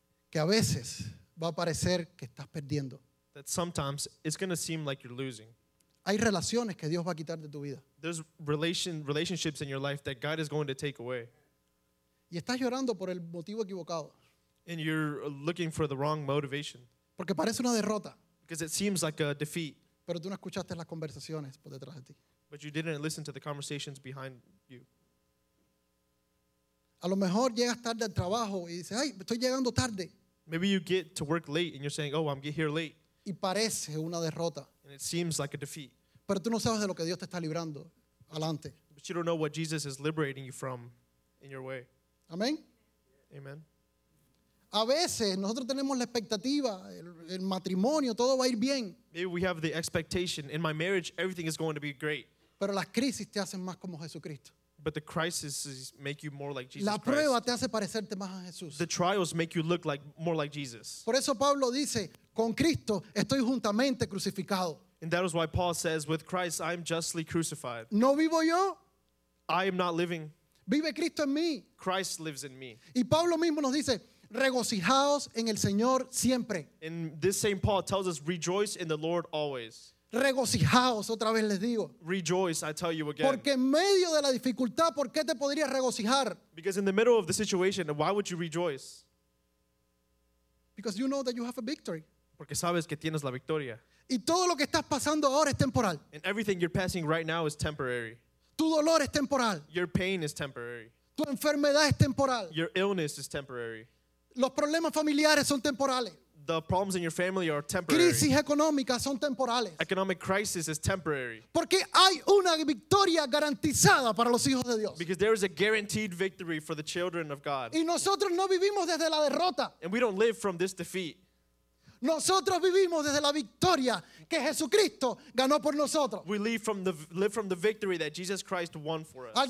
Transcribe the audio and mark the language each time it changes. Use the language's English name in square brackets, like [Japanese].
[Spanish] Que a veces va a parecer que estás perdiendo. [English] That sometimes it's going to seem like you're losing. [Spanish] Hay relaciones que Dios va a quitar de tu vida. [English] There's relationships in your life that God is going to take away. [Spanish] Y estás llorando por el motivo equivocado. [English] And you're looking for the wrong motivation. [Spanish] Porque parece una derrota. [English] Because it seems like a defeat. [Spanish] Pero tú no escuchaste las conversaciones por detrás de ti. [English] But you didn't listen to the conversations behind you. [Spanish] A lo mejor llegas tarde al trabajo y dices, ay, estoy llegando tarde. [English] Maybe you get to work late and you're saying, oh, I'm getting here late. [Spanish] Y parece una derrota. [English] And it seems like a defeat. [Spanish] Pero tú no sabes de lo que Dios te está librando. Adelante. [English] But you don't know what Jesus is liberating you from in your way. [Spanish] Amén. [English] Amen. [Spanish] A veces nosotros tenemos la expectativa, el matrimonio, todo va a ir bien. [English] Maybe we have the expectation, in my marriage, everything is going to be great. [Spanish] Pero las crisis te hacen más como Jesucristo. [English] But the crises make you more like Jesus. [Spanish] La prueba [English] Christ. [Spanish] Te hace parecerte más a Jesús. [English] The trials make you look like more like Jesus. [Spanish] Por eso Pablo dice, con Cristo estoy juntamente crucificado. [English] And that is why Paul says, with Christ I am justly crucified. [Spanish] No vivo yo. [English] I am not living. [Spanish] Vive Cristo en mí. [English] Christ lives in me. [Spanish] Y Pablo mismo nos dice, regocijaos en el Señor siempre. [English] And this same Paul tells us, rejoice in the Lord always. [Spanish] Regocijaos, otra vez les digo. [English] Rejoice, I tell you again. [Spanish] Porque en medio de la dificultad, ¿por qué te podrías regocijar? [English] Because in the middle of the situation, why would you rejoice? Because you know that you have a victory. [Spanish] Porque sabes que tienes la victoria. Y todo lo que estás pasando ahora es temporal. [English] And everything you're passing right now is temporary. [Spanish] Tu dolor es temporal. [English] Your pain is temporary. [Spanish] Tu enfermedad es temporal. [English] Your illness is temporary. [Spanish] Los problemas familiares son temporales. [English] The problems in your family are temporary. [Spanish] Crisis económicas son temporales. [English] Economic crisis is temporary. [Spanish] Porque hay una victoria garantizada para los hijos de Dios. [English] Because there is a guaranteed victory for the children of God. [Spanish] Y nosotros no vivimos desde la derrota. [English] And we don't live from this defeat. [Spanish] Nosotros vivimos desde la victoria que Jesucristo ganó por nosotros. [English] We live from the victory that Jesus Christ won for us.